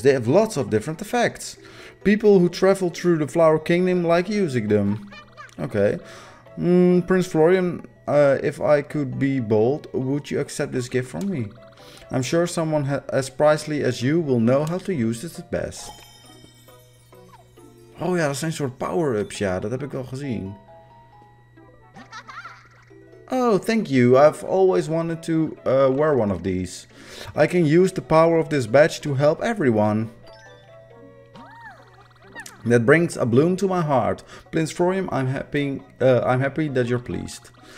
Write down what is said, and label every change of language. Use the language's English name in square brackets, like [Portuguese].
[English] They have lots of different effects. People who travel through the Flower Kingdom like using them. Okay. Prince Florian, if I could be bold, would you accept this gift from me? I'm sure someone as pricely as you will know how to use it the best. [Dutch] Oh ja, dat zijn soort power-ups, ja, dat heb ik al gezien. [English] Oh, thank you. I've always wanted to wear one of these. I can use the power of this badge to help everyone. That brings a bloom to my heart. Prince Florian, I'm happy that you're pleased.